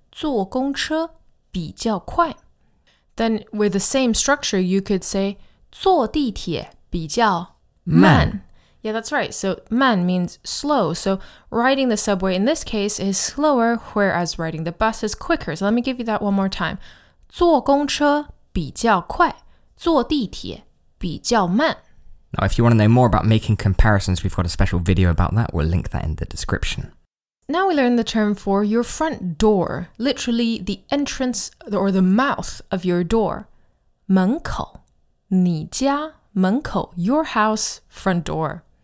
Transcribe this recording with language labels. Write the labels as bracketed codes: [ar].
[zh] 坐公车比较快. [en] Then with the same structure, you could say, [zh] 坐地铁比较慢. [en] Yeah, that's right. So, 慢 means slow. So, riding the subway in this case is slower, whereas riding the bus is quicker. So, let me give you that one more time. [zh] 坐公车比较快, 坐地铁比较慢. [en] Now, if you want to know more about making comparisons, we've got a special video about that. We'll link that in the description. Now we learn the term for your front door, literally the entrance or the mouth of your door. [zh] 门口,你家门口, [en] your house, front door.